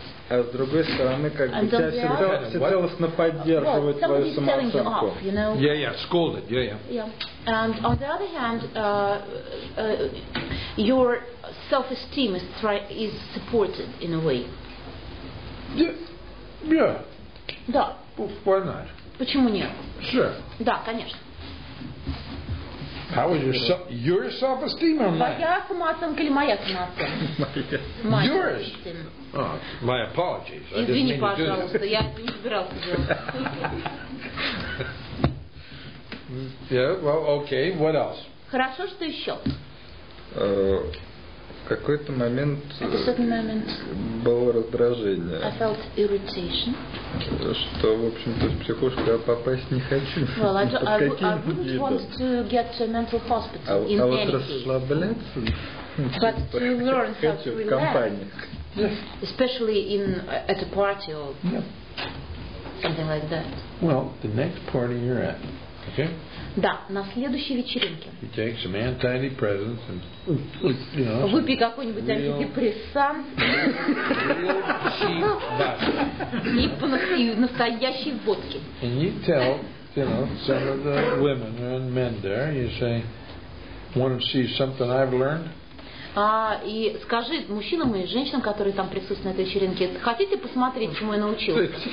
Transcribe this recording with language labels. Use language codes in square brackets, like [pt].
[ru] А с другой стороны, как бы тебя всецелостно поддерживают твою самооценку. [en] Scolded. And on the other hand, your self-esteem is supported in a way. [ru] Да. [en] Why not? [ru] Почему нет? [en] Sure. [ru] Да, конечно. [en] How was your self-esteem or mine? [ru] Моя самооценка или моя самооценка? [en] Yours? Oh, my apologies. [ru] Извини, пожалуйста, я не собирался делать. [en] Yeah, well, okay, what else? [ru] Хорошо, что еще? Какой-то момент... [en] At a certain moment... [ru] Было раздражение. [en] I felt irritation. [ru] Что, в общем-то, в психушку я попасть не хочу. [en] Well, I wouldn't want to get to a mental hospital in any case. [ru] А вот расслабляться? [en] But to learn how to relax. [ru] В компании. [en] Especially at a party or something like that. Well, the next party you're at, okay? Да, на следующей вечеринке. You take some antidepressants and, you know, [ru] выпей какой-нибудь антидепрессант и настоящей водки. [en] And you tell you know, some of the women and men there, you say, want to see something I've learned? [ru] И скажи мужчинам и женщинам, которые там присутствуют на этой вечеринке, хотите посмотреть, чему я научился?